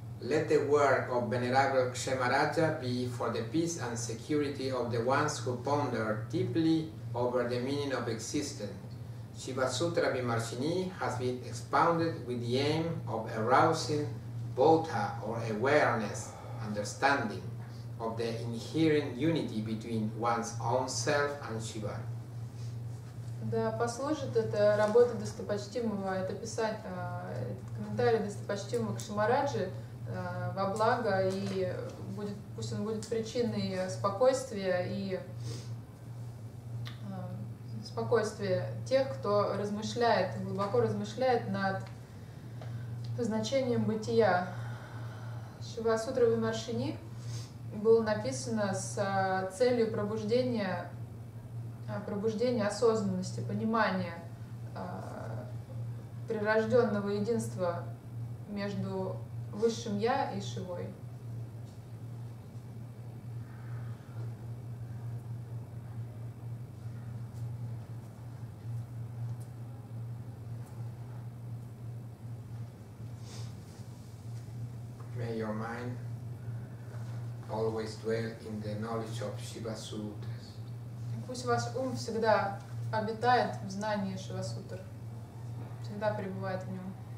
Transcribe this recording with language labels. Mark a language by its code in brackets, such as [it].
[en] Let the work of Venerable Kshemaraja be for the peace and security of the ones who ponder deeply over the meaning of existence. Shiva Sutra Vimarsini has been expounded with the aim of arousing bodha or awareness, understanding of the inherent unity between one's own self and Shiva. [ru] Да послужит эта работа достопочтимого, это писать комментарий достопочтимого Кшемараджи во благо, и будет, пусть он будет причиной спокойствия и спокойствия тех, кто размышляет, глубоко размышляет над значением бытия. Шива Сутра Вимаршини было написано с целью пробуждения осознанности, понимания прирожденного единства между Высшим Я и Шивой. [en] May your mind always dwell in the knowledge of Shiva Sutras. [ru] Пусть ваш ум всегда обитает в знании Шива Сутр, всегда пребывает в нем.